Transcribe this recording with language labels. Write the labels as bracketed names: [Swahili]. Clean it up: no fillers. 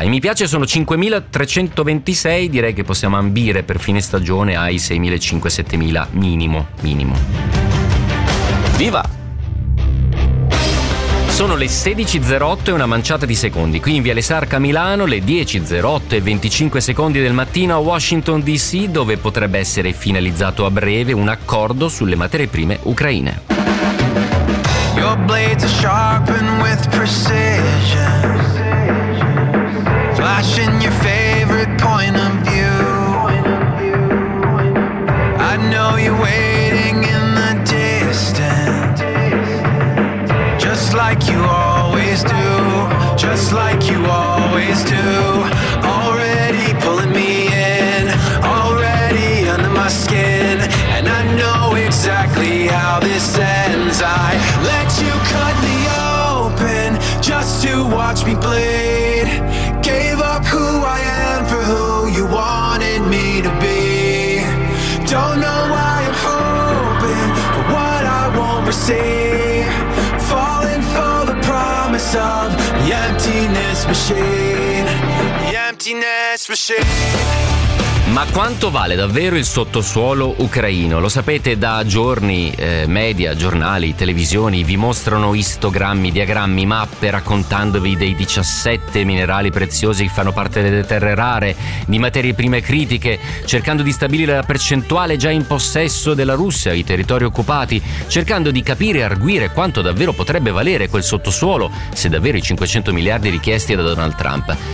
[Italian] E mi piace, sono 5.326, direi che possiamo ambire per fine stagione ai 6.500-7.000 minimo. Viva! Sono le 16.08 e una manciata di secondi, qui in Viale Sarca a Milano, le 10.08 e 25 secondi del mattino a Washington DC, dove potrebbe essere finalizzato a breve un accordo sulle materie prime ucraine. [English] Your blades are sharpened with precision, flashing your favorite point of view. I know you're waiting in the distance, just like you always do, just like you always do. Already pulling me in, already under my skin, and I know exactly how this ends. I let you cut me open just to watch me bleed. Gave up who I am for who you wanted me to be. Don't know why I'm hoping for what I won't receive. Falling for the promise of the emptiness machine. The emptiness machine. [Italian] Ma quanto vale davvero il sottosuolo ucraino? Lo sapete, da giorni media, giornali, televisioni vi mostrano istogrammi, diagrammi, mappe raccontandovi dei 17 minerali preziosi che fanno parte delle terre rare, di materie prime critiche, cercando di stabilire la percentuale già in possesso della Russia, i territori occupati, cercando di capire e arguire quanto davvero potrebbe valere quel sottosuolo se davvero i 500 miliardi richiesti da Donald Trump.